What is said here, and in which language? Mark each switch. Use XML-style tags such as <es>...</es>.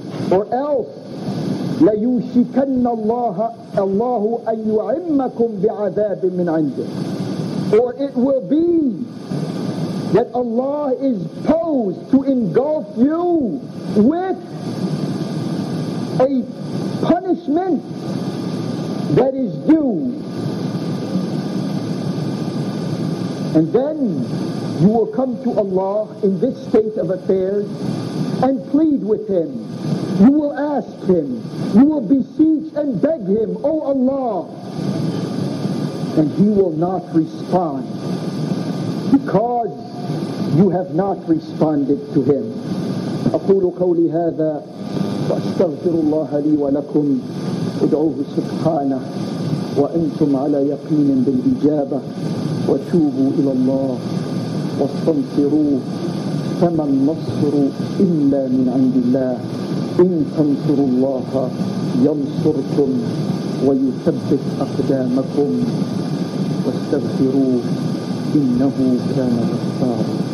<en>Or else,</en> <ar>لَيُوشِكَنَّ اللَّهُ أَنْ يُعِمَّكُمْ بِعَذَابٍ مِّنْ عِنْدِهِ.</ar> <en>Or it will be that Allah is posed to engulf you with a punishment that is due. And then you will come to Allah in this state of affairs and plead with him. You will ask him, you will beseech and beg him, O Allah. And he will not respond because you have not responded to him.</en> <ar>أقول قولي هذا وأستغفر الله لي ولكم. أدعوه سبحانه وأنتم على يقين بالإجابة وتوبوا إلى الله واستنصروه فما النصر إلا من عند الله إن تنصروا الله ينصركم ويثبت أقدامكم واستغفروه إنه كان غفارا.</ar>